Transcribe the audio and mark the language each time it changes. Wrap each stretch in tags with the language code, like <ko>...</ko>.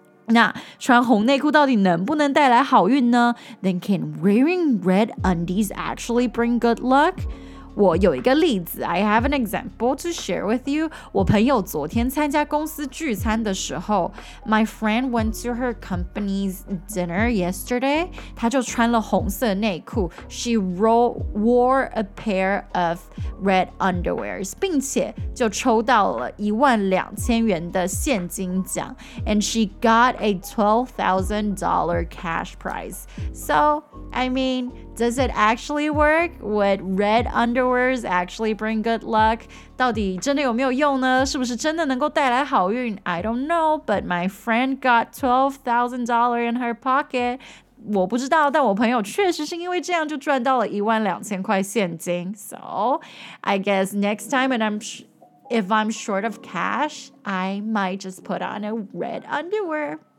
<zh>那穿红内裤到底能不能带来好运呢?</zh> <en>Then can wearing red undies actually bring good luck?</en> <zh>我有一个例子,</zh> <en>I have an example to share with you.</en> <zh>我朋友昨天参加公司聚餐的时候,</zh> <en>my friend went to her company's dinner yesterday.</en> <zh>她就穿了红色内裤,</zh> <en>she wore a pair of red underwears,</en> <zh>并且就抽到了12,000元的现金奖,</zh> <en>and she got a $12,000 cash prize. So, I mean, does it actually work? Would red underwears actually bring good luck?</en> <zh>到底真的有没有用呢? 是不是真的能够带来好运?</zh> <en>I don't know, but my friend got $12,000 in her pocket.</en> <zh>我不知道, 但我朋友确实是因为这样就赚到了12,000块现金.</zh> <en>So, I guess next time when if I'm short of cash, I might just put on a red underwear.</en>